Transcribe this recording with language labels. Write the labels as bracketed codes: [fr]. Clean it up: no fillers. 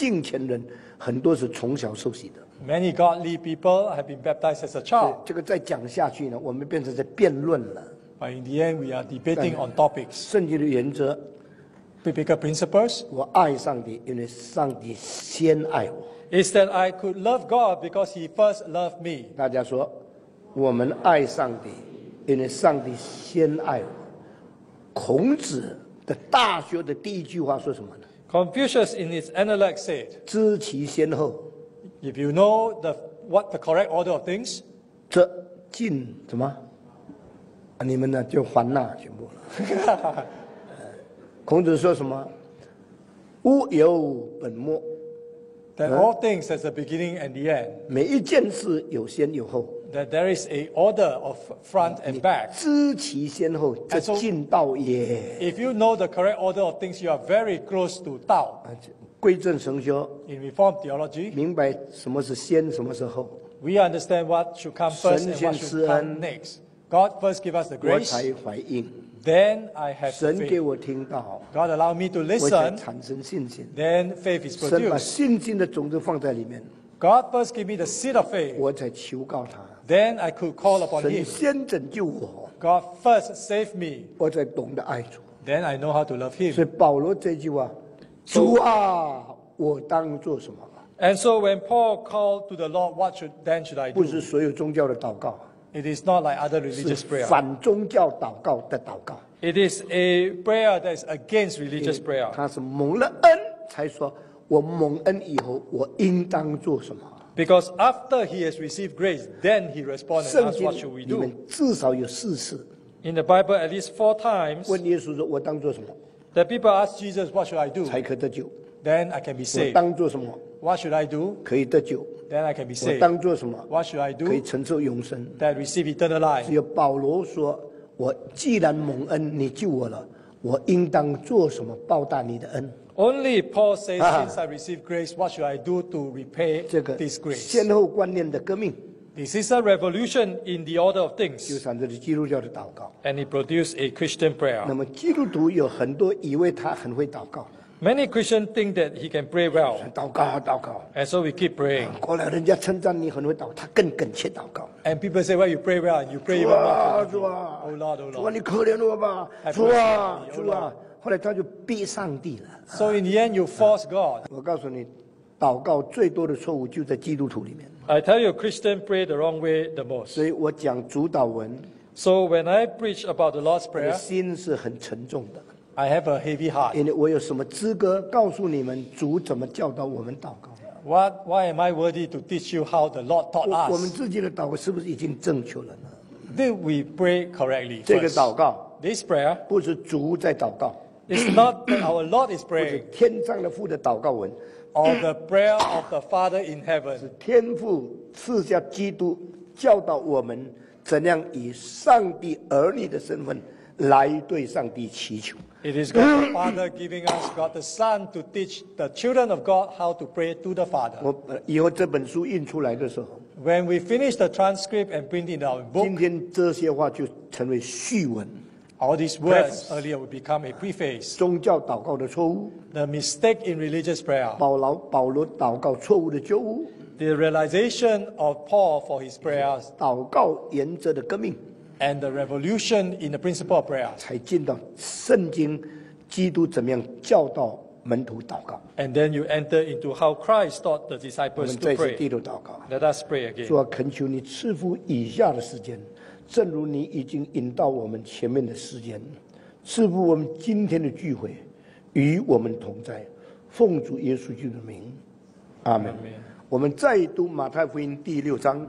[zh] 事实上一些最爱主的敬虔人很多是从小受洗的。 [en] Many godly people have been baptized as a child. [zh] 这个再讲下去呢, 我们变成在辩论了。 [en] But in the end, we are debating on topics. [zh] 圣经的原则, [en] biblical principles. [zh] 我爱上帝, 因为上帝先爱我。 [en] Is that I could love God because he first loved me. [zh] 大家说, 我们爱上帝, 因为上帝先爱我。孔子的大学的第一句话说什么呢? [en] Confucius in his Analects said, [zh] 知其先后, [en] if you know what the correct order of things, [zh] 这进怎么?你们呢就还纳全部了。孔子说什么? 物有本末。 [en] That all things has a beginning and the end. [zh] 每一件事有先有后。 [en] That there is an order of front and back. [zh] 知其先后, 这进道也。 [en] If you know the correct order of things, you are very close to 道。 [zh] 归正神学, [en] in Reformed theology, [zh] 明白什么是先, 什么是后。 [en] We understand what should come first and what should come next. God first give us the grace. [zh] 我才回应。 [en] Then I have faith. [zh] 神给我听到, [en] God allow me to listen. [zh] 我才产生信心。 [en] Then faith is produced. [zh] 神把信心的种子放在里面。 [en] God first give me the seed of faith. [zh] 我才求告他。 [en] Then I could call upon him. [zh] 神先拯救我。 [en] God first save me. [zh] 我才懂得爱主。 [en] Then I know how to love him. [zh] 所以保罗这句话, 主啊, 我当做什么? [en] And so when Paul called to the Lord, what should, then should I do? [zh] 不是所有宗教的祷告。 [en] It is not like other religious prayer. [zh] 是反宗教祷告的祷告。 [en] It is a prayer that is against religious prayer. [zh] 他是蒙了恩才说，我蒙恩以后，我应当做什么？ [en] Because after he has received grace, then he responds and asks, what should we do? [zh] 你们至少有四次。 [en] In the Bible, at least four times, [zh] 问耶稣说，我当做什么？ [en] The people ask Jesus, what should I do? [zh] 才可得救。 [en] Then I can be saved. [zh] 我当做什么？ [en] What should I do? [zh] 可以得救。 [en] Then I can be saved. [zh] 我当做什么？ [en] What should I do? [zh] 可以承受永生。 [en] That receive eternal life. [zh] 只有保罗说，我既然蒙恩，你救我了，我应当做什么报答你的恩？ [en] Only Paul says, since I received grace, what should I do to repay this grace? [zh] 先后观念的革命。 [en] This is a revolution in the order of things. [zh] 就产生了基督教的祷告。 [en] And it produced a Christian prayer. [zh] 那么基督徒有很多以为他很会祷告。 [en] Many Christians think that he can pray well. [zh] 祷告啊祷告。 [en] And so we keep praying. [zh] 过来人家称赞你很会祷告，他更恳切祷告。 [en] And people say, well, you pray well, you pray even more. [zh] 主啊，主啊。 [en] Oh Lord, oh Lord. [zh] 主啊，你可怜我吧。主啊，主啊。后来他就逼上帝了。 [en] So in the end, you force God. [zh] 我告诉你，祷告最多的错误就在基督徒里面。 [en] I tell you, Christian pray the wrong way the most. [zh] 所以我讲主祷文。 [en] So when I preach about the Lord's prayer, [zh] 我的心是很沉重的。 [en] I have a heavy heart. [zh] 因为我有什么资格告诉你们主怎么教导我们祷告？ [en] What? Why am I worthy to teach you how the Lord taught us? [zh] 我们自己的祷告是不是已经正确了呢？ [en] Did we pray correctly? [zh] 这个祷告， [en] this prayer, [zh] 不是主在祷告。 [en] It's not that our Lord is praying. [zh] 不是天上的父的祷告文。 [en] Or the prayer of the Father in heaven. [zh] 是天父赐下基督教导我们怎样以上帝儿女的身份来对上帝祈求。 [en] It is God the Father giving us God the Son to teach the children of God how to pray to the Father. [zh] 我以后这本书印出来的时候。 [en] When we finish the transcript and print in our book. [zh] 今天这些话就成为序文。 [en] All these words earlier would become a preface. [zh] 宗教祷告的错误。 [en] The mistake in religious prayer. [zh] 保罗祷告错误的错误。 [en] The realization of Paul for his prayers. [zh] 祷告原则的革命。 [en] And the revolution in the principle of prayer. [zh] 才进到圣经，基督怎么样教导门徒祷告。 [en] And then you enter into how Christ taught the disciples to pray. [zh] 我们再次低头祷告。 [en] Let us pray again. [zh] 主啊，恳求你赐福以下的时间。正如你已经引导我们前面的时间，赐福我们今天的聚会，与我们同在，奉主耶稣基督的名，阿门。我们再读马太福音第六章。